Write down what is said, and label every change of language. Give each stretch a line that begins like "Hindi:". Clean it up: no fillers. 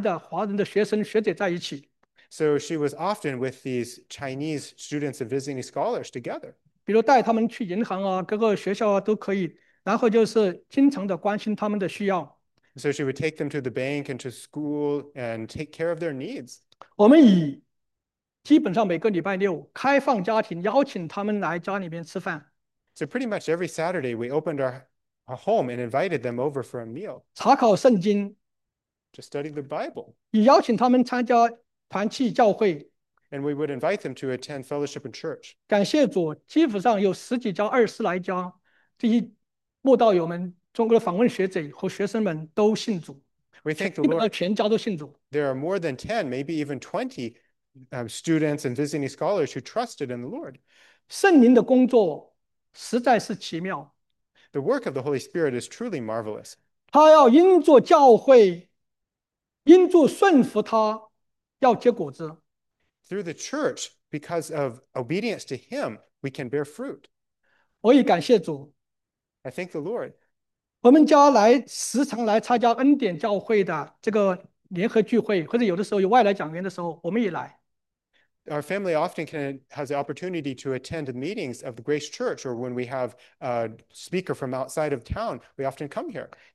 Chinese: 平时就与他们这些就是来的华人的学生学姐在一起。
English: So she was often with these Chinese students and visiting scholars together.
Chinese: 比如带他们去银行啊,各个学校啊,都可以,然后就是经常的关心他们的需要。
English: So she would take them to the bank and to school and take care of their needs.
Chinese: 我们以基本上每个礼拜六开放家庭，邀请他们来家里面吃饭。
English: So pretty much every Saturday, we opened our home and invited them over for a meal.
Chinese: 查考圣经,
English: to study the Bible.
Chinese: 也邀请他们参加团契教会,
English: and we would invite them to attend fellowship in church.
Chinese: 感谢主, 基本上有十几家二十来家, 这些慕道友们,中国的访问学者和学生们都信主,
English: we thank the Lord.
Chinese: 基本上全家都信主。
English: There are more than 10, maybe even 20 students and visiting scholars who trusted in the Lord.
Chinese: 圣灵的工作, 实在是奇妙。
English: The work of the Holy Spirit is truly marvelous.
Chinese: 他要因着教会, 因着顺服他, 要结果子。
English: Through the church, because of obedience to Him, we can bear fruit.
Chinese: 我也感谢主。
English: I thank the Lord.
Chinese: 我们家来时常来参加恩典教会的这个联合聚会, 或者有的时候有外来讲员的时候, 我们也来。
English: Our family often has the opportunity to attend meetings of the Grace Church, or when we have a speaker from outside of town, we often come here.